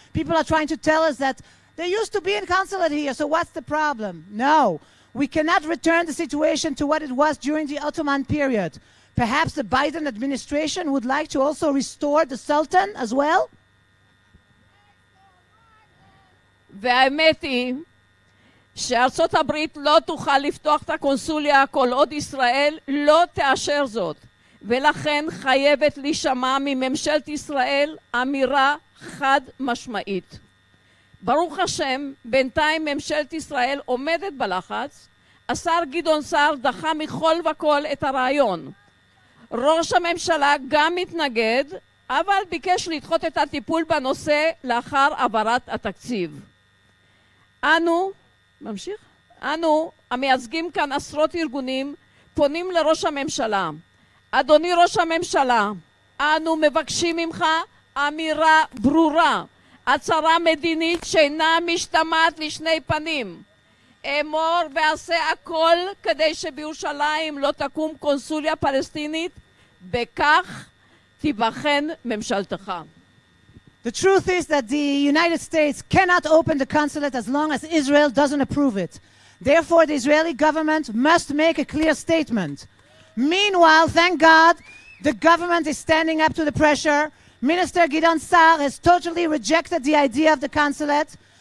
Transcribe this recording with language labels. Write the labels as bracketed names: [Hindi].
[English] People are trying to tell us that there used to be a consulate here, so what's the problem? No, we cannot return the situation to what it was during the Ottoman period. Perhaps the Biden administration would like to also restore the Sultan as well? [Hebrew] והאמת היא שארצות הברית לא תוכל לפתוח את הקונסוליה כל עוד ישראל לא תאשר זאת. ולכן חייבת לשמוע מממשלת ישראל אמירה חד משמעית. ברוך השם, בינתיים ממשלת ישראל עומדת בלחץ. השר גדעון סער דחה מכל וכל את הרעיון. ראש הממשלה גם מתנגד, אבל ביקש לדחות את הטיפול בנושא לאחר עברת התקציב. אנו, המייצגים כאן עשרות ארגונים, פונים לראש הממשלה. אדוני ראש הממשלה, אנו מבקשים ממך אמירה ברורה, הצהרה מדינית שאינה משתמעת לשני פנים. אמור ועשה הכל כדי שבירושלים לא תקום קונסוליה פלסטינית, בכך תיבחן ממשלתך. [English] The truth is that the United States cannot open the consulate as long as Israel doesn't approve it. Therefore, the Israeli government must make a clear statement. Meanwhile, thank God, the government is standing up to the pressure. Minister Gideon Saar has totally rejected the idea of the consulate.